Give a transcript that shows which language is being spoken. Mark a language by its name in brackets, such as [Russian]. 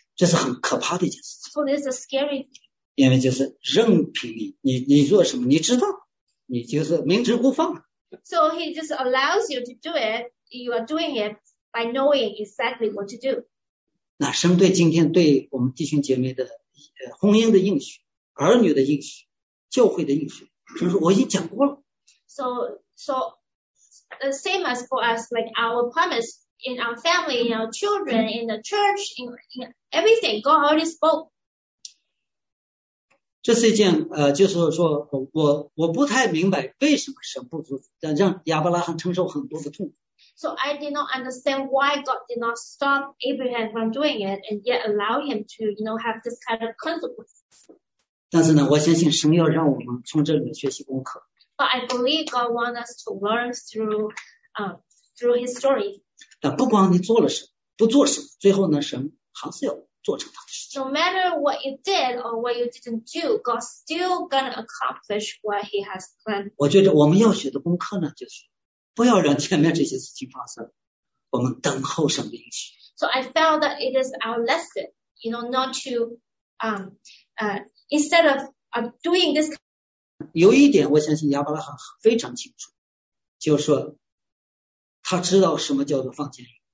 [Chinese] 这是很可怕的一件事情。 [English] So this is a scary thing. [Chinese] 因为就是任凭你，你做什么，你知道，你就是明知故犯。 [English] So he just allows you to do it. You are doing it by knowing exactly what to do. [Chinese] 那神对今天对我们弟兄姐妹的婚姻的应许、儿女的应许、教会的应许，就是我已经讲过了。 [English] So the same as for us, like our promise in our family, in our children, in the church, in everything, God already spoke. [Chinese] 这是一件就是说我不太明白为什么神不让亚伯拉罕承受很多的痛苦。 [English] So I did not understand why God did not stop Abraham from doing it and yet allow him to, you know, have this kind of consequence. [Chinese] 但是呢，我相信神要让我们从这里面学习功课。 [English] But I believe God wants us to learn through His story. [Chinese] 但不管你做了什么，不做什么，最后呢，神还是要做成他的事。 [English] No matter what you did or what you didn't do, God's still gonna accomplish what He has planned. [Chinese] 我觉得我们要学的功课呢，就是不要让前面这些事情发生，我们等候神的应许。 [English] So I felt that it is our lesson, you know, not to, instead of doing this. [Chinese] 有一点我相信亚伯拉罕非常清楚，就是说他知道什么叫做放监狱。